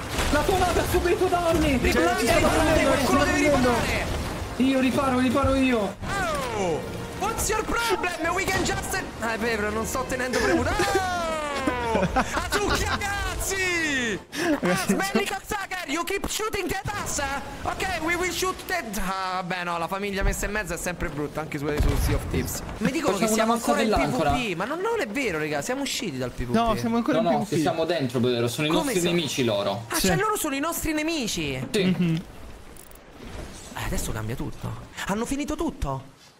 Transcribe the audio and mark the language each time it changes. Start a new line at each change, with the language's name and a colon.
Italian: La tua nave ha subito danni! Riparo io! Oh!
English: What's your problem? We can just...
Italian: Ah, è vero, non sto tenendo premuto! Oh! Azuki, ragazzi!
English: Smelly Katsaker, you keep shooting at us! Ok, we will shoot dead!
Italian: Ah, vabbè, no, la famiglia messa in mezzo è sempre brutta, anche su Sea of Thieves. Mi dicono che siamo ancora in PvP, ma non è vero, raga, siamo usciti dal PvP. No, siamo ancora in PvP. No, siamo dentro, vero, sono i nostri nemici loro. Ah, cioè loro sono i nostri nemici? Sì. Mm-hmm. Adesso cambia tutto. Hanno finito tutto.